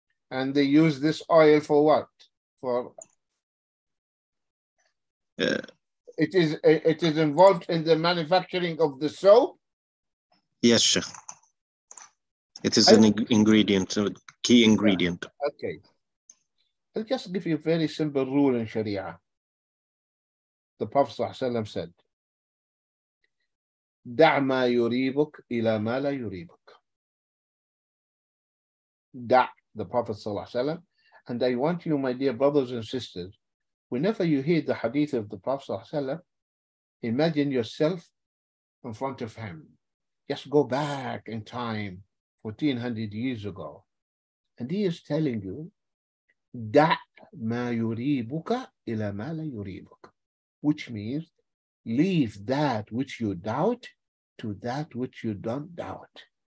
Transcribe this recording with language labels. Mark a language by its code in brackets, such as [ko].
[en] And they use this oil for what? For it is involved in the manufacturing of the soap. Yes, sir. It is an ingredient, a key ingredient. Okay. I'll just give you a very simple rule in Sharia. The Prophet [ar] صلى الله عليه وسلم [en] said, [ar] "دع ما يريبك إلى ما لا يريبك." دع, [en] the Prophet [ar] صلى الله عليه وسلم. [en] And I want you, my dear brothers and sisters, whenever you hear the hadith of the Prophet sallallahu alaihi wasallam, imagine yourself in front of him. Just go back in time, 1400 years ago. And he is telling you, [ar] da' ma yuribuka ila ma la yuribuka, [en] which means, leave that which you doubt to that which you don't doubt.